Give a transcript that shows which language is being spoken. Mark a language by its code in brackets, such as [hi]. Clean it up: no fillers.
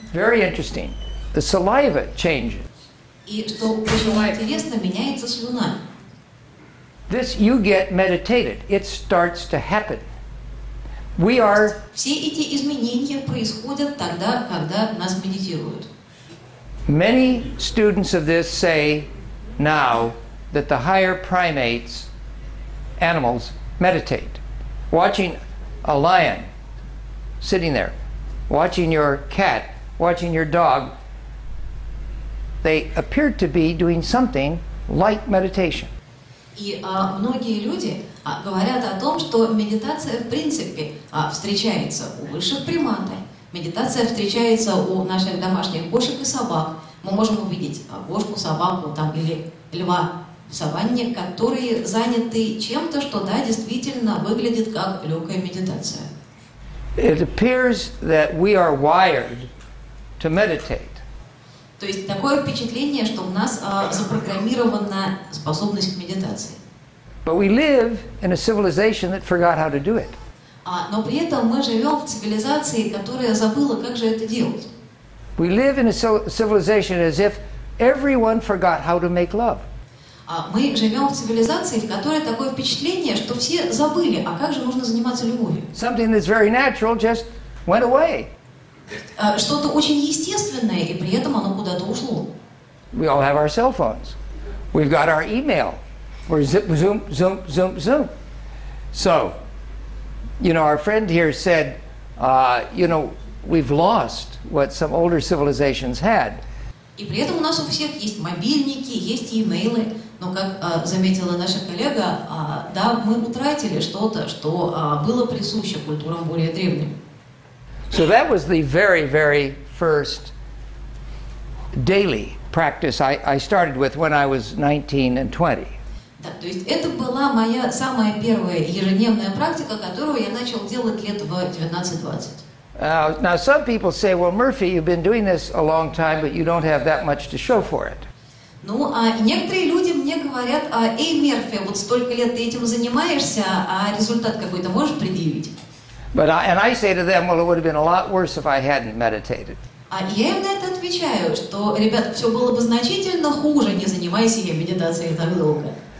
[en] Very interesting. The saliva changes. [ru] И что очень интересно, меняется слюна. [en] This you get meditated. It starts to happen. We are. [ru] Все эти изменения происходят тогда, когда нас медитируют. [en] Many students of this say now that the higher primates, animals, meditate. Watching a lion sitting there, watching your cat, watching your dog, they appear to be doing something like meditation. [ru] И многие люди говорят о том, что медитация в принципе встречается у высших приматов. Медитация встречается у наших домашних кошек и собак. Мы можем увидеть кошку, собаку там, или льва в саванне, которые заняты чем-то, что да, действительно выглядит как легкая медитация. [en] It appears that we are wired to meditate. [ru] То есть такое впечатление, что у нас запрограммирована способность к медитации. [en] But we live in a civilization that forgot how to do it. [ru] Но при этом мы живем в цивилизации, которая забыла, как же это делать. [en] We live in a civilization as if everyone forgot how to make love. [ru] Мы живем в цивилизации, в которой такое впечатление, что все забыли, а как же нужно заниматься любовью. [en] Something that's very natural just went away. [ru] Что-то очень естественное, и при этом оно куда-то ушло. [en] We all have our cell phones. We've got our email. We're zip, zoom, zoom, zoom, zoom. So, you know, our friend here said, you know, we've lost what some older civilizations had. [ru] И при этом у нас у всех есть мобильники, есть имейлы. Но, как заметила наша коллега, да, мы утратили что-то, что было присуще культурам более древним. [en] So that was the very, very first daily practice I started with when I was 19 and 20. [ru] Да, то есть это была моя самая первая ежедневная практика, которую я начал делать лет в 19-20. [en] Now some people say, well, Murphy, you've been doing this a long time, but you don't have that much to show for it. [ru] Ну, а некоторые люди мне говорят, эй, Мерфи, вот столько лет ты этим занимаешься, а результат какой-то можешь предъявить? [en] But I say to them, well, it would have been a lot worse if I hadn't meditated. [ru] А я им на это отвечаю, что, ребят, все было бы значительно хуже, не занимаясь я медитацией так долго.